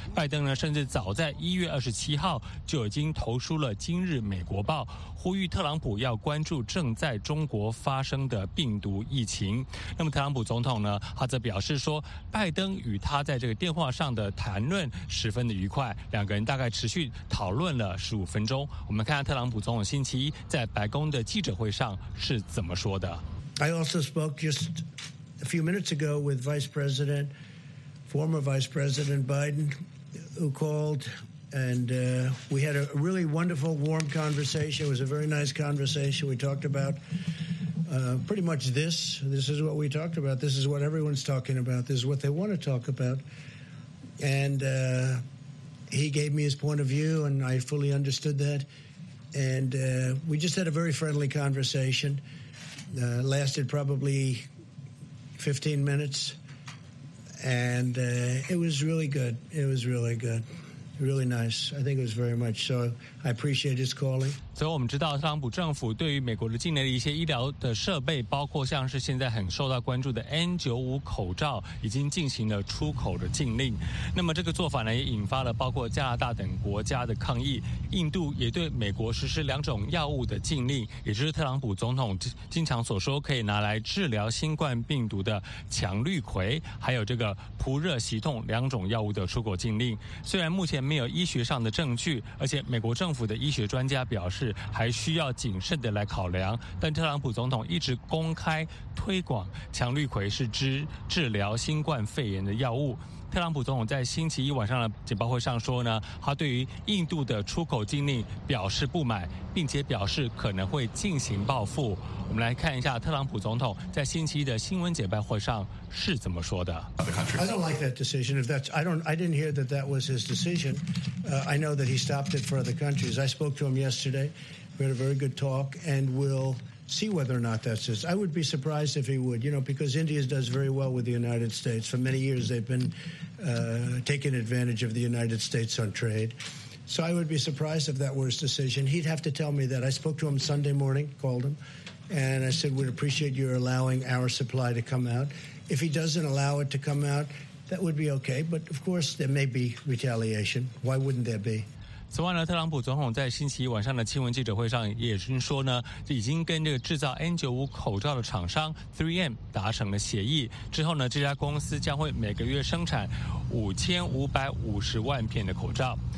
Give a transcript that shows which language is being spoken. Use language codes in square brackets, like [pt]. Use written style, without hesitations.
[zh] 拜登呢，甚至早在1月27号就已经投书了《今日美国报》，呼吁特朗普要关注正在中国发生的病毒疫情。那么特朗普总统呢，他则表示说，拜登与他在这个电话上的谈论十分的愉快，两个人大概持续讨论了15分钟。我们看看特朗普总统星期一在白宫的记者会上是怎么说的。 [en] I also spoke just a few minutes ago with Vice President, former Vice President Biden, who called, and we had a really wonderful, warm conversation. It was a very nice conversation. We talked about pretty much this. This is what we talked about. This is what everyone's talking about. This is what they want to talk about. And he gave me his point of view, and I fully understood that. And we just had a very friendly conversation. Lasted probably 15 minutes, and it was really good. It was really good. Really nice. I think it was very much so. I appreciate his calling. [zh] 所以我们知道特朗普政府对于美国的境内的一些医疗的设备，包括像是现在很受到关注的 N95 口罩已经进行了出口的禁令。那么这个做法呢，也引发了包括加拿大等国家的抗议。印度也对美国实施两种药物的禁令，也就是特朗普总统经常所说可以拿来治疗新冠病毒的强氯喹还有这个扑热息痛两种药物的出口禁令。虽然目前没有医学上的证据，而且美国政府的医学专家表示是还需要谨慎的来考量，但特朗普总统一直公开推广强氯喹是治疗新冠肺炎的药物。特朗普总统在星期一晚上的简报会上说呢，他对于印度的出口禁令表示不满，并且表示可能会进行报复。我们来看一下特朗普总统在星期一的新闻简报会上是怎么说的。 [en] I don't like that decision. I didn't hear that that was his decision. I know that he stopped it for other countries. I spoke to him yesterday. We had a very good talk, and we'll see whether or not that's his. I would be surprised if he would. You know, because India does very well with the United States. For many years, they've been taking advantage of the United States on trade. So I would be surprised if that were his decision. He'd have to tell me that. I spoke to him Sunday morning, called him, and I said, we'd appreciate your allowing our supply to come out. If he doesn't allow it to come out, that would be okay. But of course, there may be retaliation. Why wouldn't there be? [zh] 此外呢，特朗普总统在星期一晚上的新闻记者会上也是说呢，已经跟这个制造 N95 口罩的厂商 3M 达成了协议，之后呢，这家公司将会每个月生产5550万片的口罩。